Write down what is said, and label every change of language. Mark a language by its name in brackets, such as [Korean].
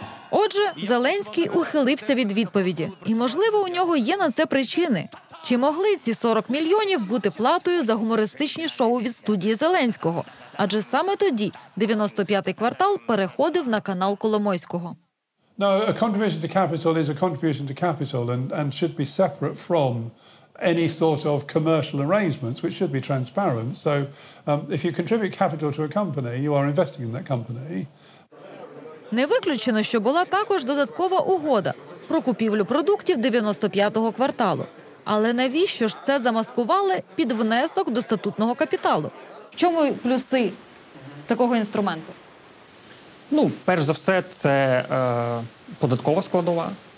[Ukrainian] Отже, Зеленський ухилився від відповіді. І, можливо, у нього є на це причини. Чи могли ці 40 мільйонів бути платою за гумористичні шоу від студії Зеленського? Адже саме тоді 95-й квартал переходив на канал Коломойського. [English] No, a contribution to capital is a contribution to capital and should be separate from any sort of commercial arrangements, which should be transparent. So, if you contribute capital to a company, you are investing in that company. [Ukrainian] Не виключено, що була також додаткова угода про купівлю продуктів 95-го кварталу. Але навіщо ж це замаскували під внесок до статутного капіталу? В чому плюси такого інструменту? Ну, перш за все, це податкова складова.